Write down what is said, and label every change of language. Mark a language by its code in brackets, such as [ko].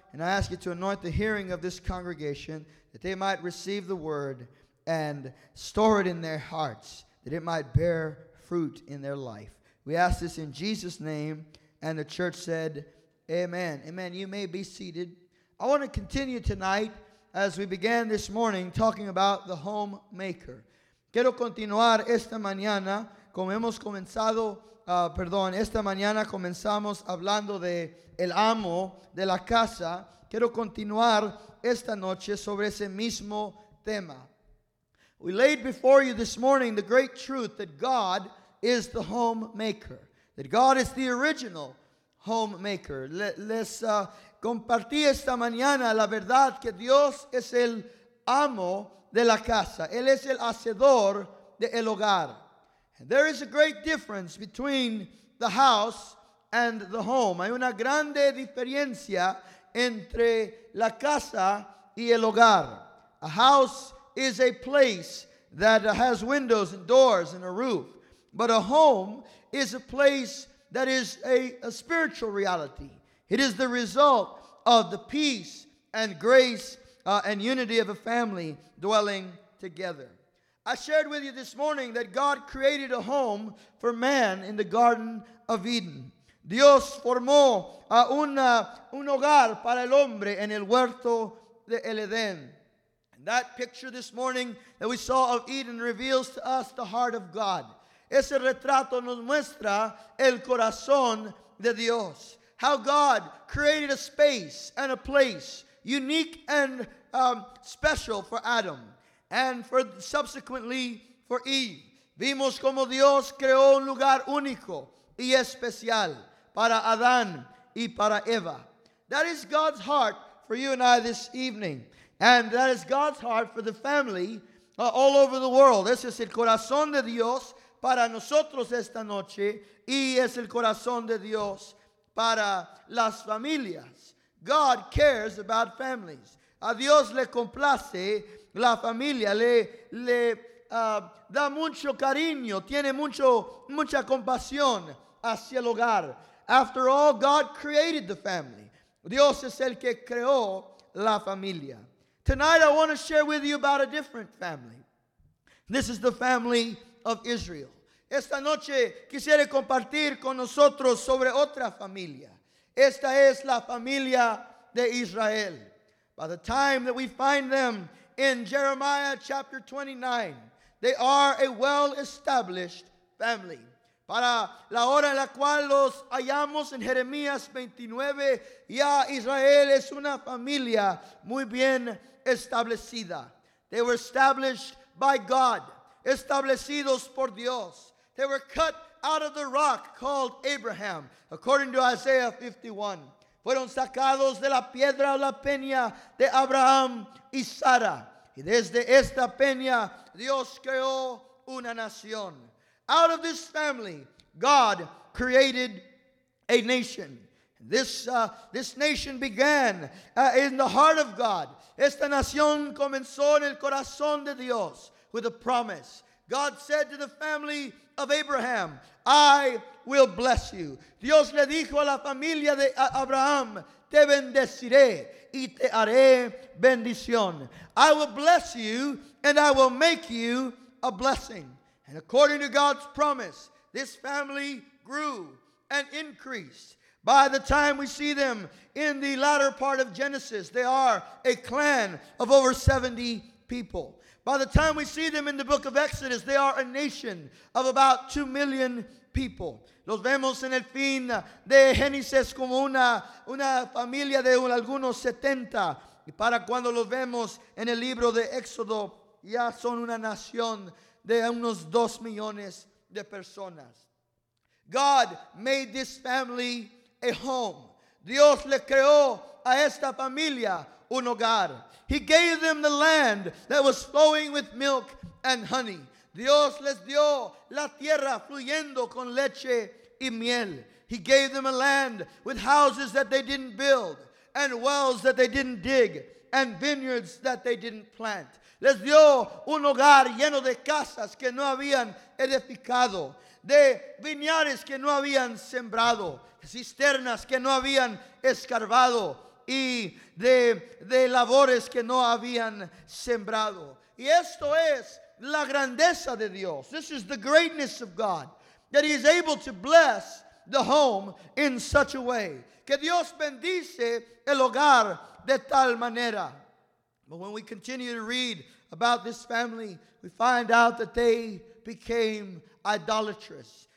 [en] And I ask you to anoint the hearing of this congregation that they might receive the word and store it in their hearts, that it might bear fruit in their life. We ask this in Jesus' name. And the church said, Amen. Amen. You may be seated. I want to continue tonight as we began this morning talking about the homemaker. [es] Quiero continuar esta mañana como hemos comenzado, esta mañana comenzamos hablando de el amo de la casa. Quiero continuar esta noche sobre ese mismo tema. [en] We laid before you this morning the great truth that God is the homemaker, that God is the original homemaker. [es] Compartí esta mañana la verdad que Dios es el amo de la casa. Él es el hacedor de el hogar. [en] And there is a great difference between the house and the home. [es] Hay una grande diferencia entre la casa y el hogar. [en] A house is a place that has windows and doors and a roof. But a home is a place that is a spiritual reality. It is the result of the peace and grace and unity of a family dwelling together. I shared with you this morning that God created a home for man in the Garden of Eden. [es] Dios formó un hogar para el hombre en el huerto del Edén. [en] And that picture this morning that we saw of Eden reveals to us the heart of God. [es] Ese retrato nos muestra el corazón de Dios. [en] How God created a space and a place unique and special for Adam and for subsequently for Eve. [es] Vimos como Dios creó un lugar único y especial para Adán y para Eva. [en] That is God's heart for you and I this evening. And that is God's heart for the family all over the world. [es] Ese es el corazón de Dios para nosotros esta noche y es el corazón de Dios para las familias. [en] God cares about families. [es] A Dios le complace la familia. Le da mucho cariño. Tiene mucha compasión hacia el hogar. [en] After all, God created the family. [es] Dios es el que creó la familia. [en] Tonight I want to share with you about a different family. This is the family of Israel. [es] Esta noche quisiera compartir con nosotros sobre otra familia. Esta es la familia de Israel. [en] By the time that we find them in Jeremiah chapter 29, they are a well-established family. [es] Para la hora en la cual los hallamos en Jeremías 29, ya Israel es una familia muy bien establecida. [en] They were established by God, [es] establecidos por Dios. [en] They were cut out of the rock called Abraham, according to Isaiah 51. [es] fueron sacados de la piedra o la peña de Abraham y Sara. Y desde esta peña Dios creó una nación. [en] Out of this family, God created a nation. This nation began in the heart of God. [es] Esta nación comenzó en el corazón de Dios [en] with a promise. God said to the family of Abraham, I will bless you. [es] Dios le dijo a la familia de Abraham, te bendeciré y te haré bendición. [en] I will bless you and I will make you a blessing. And according to God's promise, this family grew and increased. By the time we see them in the latter part of Genesis, they are a clan of over 70 people. By the time we see them in the book of Exodus, they are a nation of about 2 million people. [es] Los vemos en el fin de Génesis como una familia de algunos 70. Y para cuando los vemos en el libro de Éxodo, ya son una nación de unos 2 millones de personas. [en] God made this family a home. [es] Dios le creó a esta familia un hogar. [en] He gave them the land that was flowing with milk and honey. [es] Dios les dio la tierra fluyendo con leche y miel. [en] He gave them a land with houses that they didn't build, and wells that they didn't dig, and vineyards that they didn't plant. [es] Les dio un hogar lleno de casas que no habían edificado, de viñares que no habían sembrado, cisternas que no habían escarbado, y de labores que no habían sembrado. Y esto es la grandeza de Dios. [en] This is the greatness of God, that he is able to bless the home in such a way. [es] Que Dios bendice el hogar de tal manera. [en] But when we continue to read about this family, we find out that they became idolatrous.